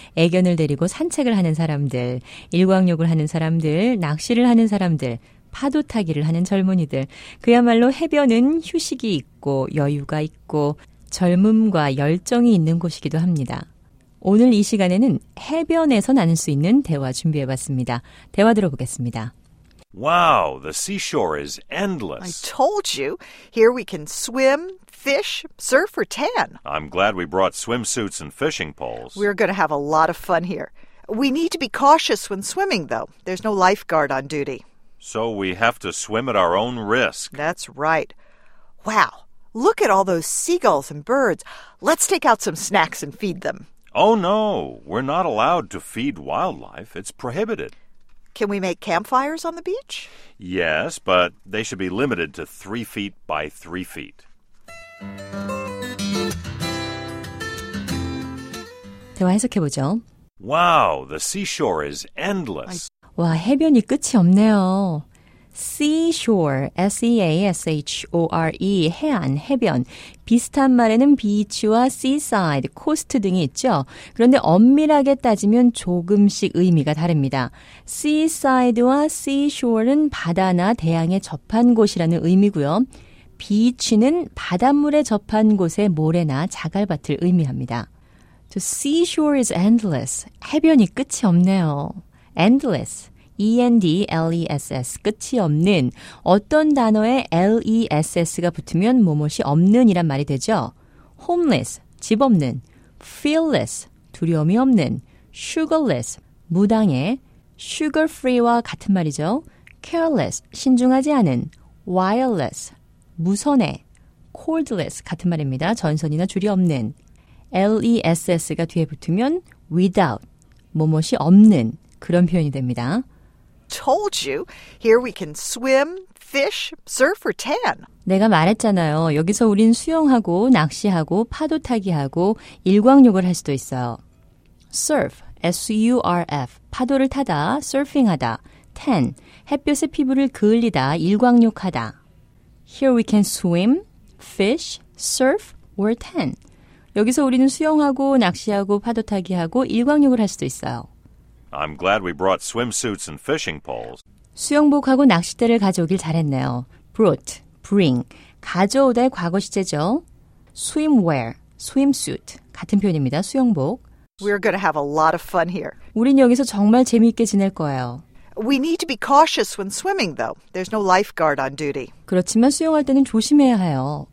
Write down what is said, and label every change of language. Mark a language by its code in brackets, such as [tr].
[ko] 애견을 데리고 산책을 하는 사람들, 일광욕을 하는 사람들, 낚시를 하는 사람들, 파도타기를 하는 젊은이들. 그야말로 해변은 휴식이 있고 여유가 있고 젊음과 열정이 있는 곳이기도 합니다. 오늘 이 시간에는 해변에서 나눌 수 있는 대화 준비해봤습니다. 대화 들어보겠습니다. [en] Wow, the seashore is endless. I told you, here we can swim, fish, surf, or tan. I'm glad we brought swimsuits and fishing poles. We're going to have a lot of fun here. We need to be cautious when swimming, though. There's no lifeguard on duty. So we have to swim at our own risk. That's right. Wow, look at all those seagulls and birds. Let's take out some snacks and feed them. Oh, no. We're not allowed to feed wildlife. It's prohibited. Can we make campfires on the beach? Yes, but they should be limited to 3 feet by 3 feet. [ko] 대화 해석해보죠. [en] Wow, the seashore is endless. [ko] 와, 해변이 끝이 없네요. Seashore, S-E-A-S-H-O-R-E, 해안, 해변. 비슷한 말에는 beach와 seaside, coast 등이 있죠. 그런데 엄밀하게 따지면 조금씩 의미가 다릅니다. Seaside와 seashore는 바다나 대양에 접한 곳이라는 의미고요. beach는 바닷물에 접한 곳의 모래나 자갈밭을 의미합니다. [en] The seashore is endless. [ko] 해변이 끝이 없네요. Endless. E-N-D-L-E-S-S, 끝이 없는, 어떤 단어에 L-E-S-S가 붙으면 무엇이 없는이란 말이 되죠. Homeless, 집 없는, Fearless, 두려움이 없는, Sugarless, 무당의, Sugar-free와 같은 말이죠. Careless, 신중하지 않은, Wireless, 무선의, Cordless, 같은 말입니다. 전선이나 줄이 없는, L-E-S-S가 뒤에 붙으면 Without, 무엇이 없는, 그런 표현이 됩니다. [en] Told you, here we can swim, fish, surf, or tan. [ko] 내가 말했잖아요. 여기서 우린 수영하고 낚시하고 파도 타기하고 일광욕을 할 수도 있어요. Surf, S-U-R-F, 파도를 타다, surfing하다, tan, 햇볕에 피부를 그을리다, 일광욕하다. [en] Here we can swim, fish, surf, or tan. [ko] 여기서 우리는 수영하고 낚시하고 파도 타기하고 일광욕을 할 수도 있어요. [en] I'm glad we brought swimsuits and fishing poles. [ko] 수영복하고 낚싯대를 가져오길 잘했네요. Brought, bring, 가져오다의 과거시제죠. Swimwear, swimsuit, 같은 표현입니다. 수영복. [en] We're going to have a lot of fun here. [ko] 우린 여기서 정말 재미있게 지낼 거예요. [en] We need to be cautious when swimming, though. There's no lifeguard on duty. [ko] 그렇지만 수영할 때는 조심해야 해요.